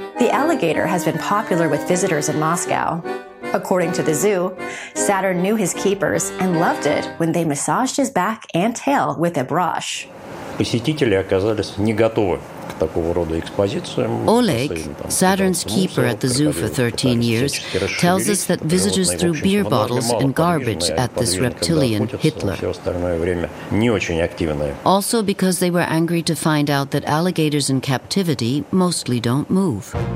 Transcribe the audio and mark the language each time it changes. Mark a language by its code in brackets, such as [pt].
[en] Alligator has been popular with visitors in Moscow. According to the zoo, Saturn knew his keepers and loved it when they massaged his back and tail with a brush. [ru] Посетители оказались не готовы к [en] Oleg, Saturn's keeper at the zoo for 13 years, tells us that visitors threw beer bottles and garbage at this reptilian, Hitler. Also because they were angry to find out that alligators in captivity mostly don't move.